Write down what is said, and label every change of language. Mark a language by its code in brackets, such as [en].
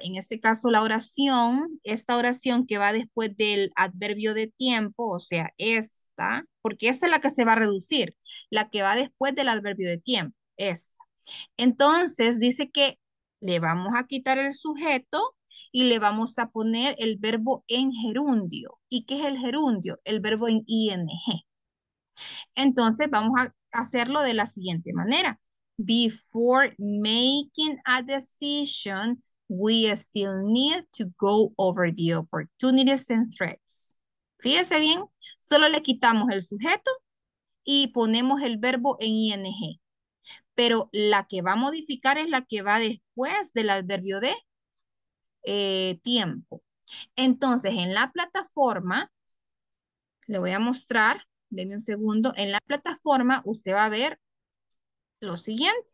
[es] En este caso la oración, esta oración que va después del adverbio de tiempo, o sea, esta, porque esta es la que se va a reducir, la que va después del adverbio de tiempo, esta. Entonces dice que le vamos a quitar el sujeto y le vamos a poner el verbo en gerundio. ¿Y qué es el gerundio? El verbo en ing. Entonces vamos a hacerlo de la siguiente manera. [en] Before making a decision, we still need to go over the opportunities and threats. [es] Fíjese bien, solo le quitamos el sujeto y ponemos el verbo en ing. Pero la que va a modificar es la que va después del adverbio de tiempo. Entonces, en la plataforma, le voy a mostrar, denme un segundo, en la plataforma usted va a ver lo siguiente.